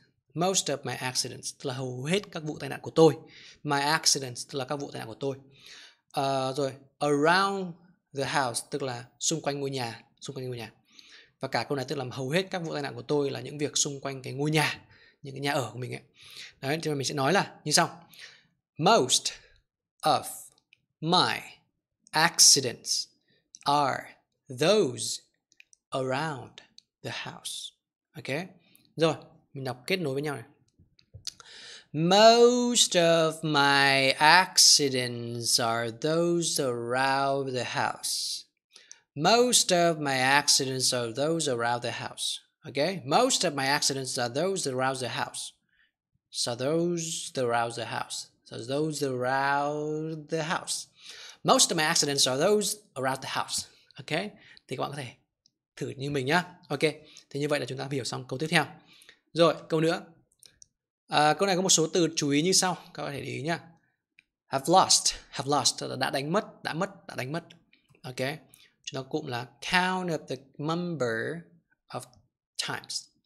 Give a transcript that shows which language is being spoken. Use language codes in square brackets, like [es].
[en] Most of my accidents [vi] tức là hầu hết các vụ tai nạn của tôi. [en] My accidents [vi] tức là các vụ tai nạn của tôi. Rồi [en] around the house [vi] tức là xung quanh ngôi nhà, xung quanh ngôi nhà. Và cả câu này tức là hầu hết các vụ tai nạn của tôi là những việc xung quanh cái ngôi nhà, những cái nhà ở của mình ấy. Đấy, thì mình sẽ nói là như sau. [en] Most of my accidents are those around the house. [vi] Ok, rồi mình đọc kết nối với nhau này. [en] Most of my accidents are those around the house. Most of my accidents are those around the house. Ok, most of my accidents are those around the house. So those around the house. So those around the house. Most of my accidents are those around the house. [vi] Ok, thì các bạn có thể thử như mình nhá. Ok, thì như vậy là chúng ta hiểu xong câu tiếp theo. Rồi, câu nữa. Câu này có một số từ chú ý như sau, các bạn có thể để ý nhá. [en] Have lost, [vi] đã đánh mất. Okay. Chúng ta cụm là [en] count up the number of times.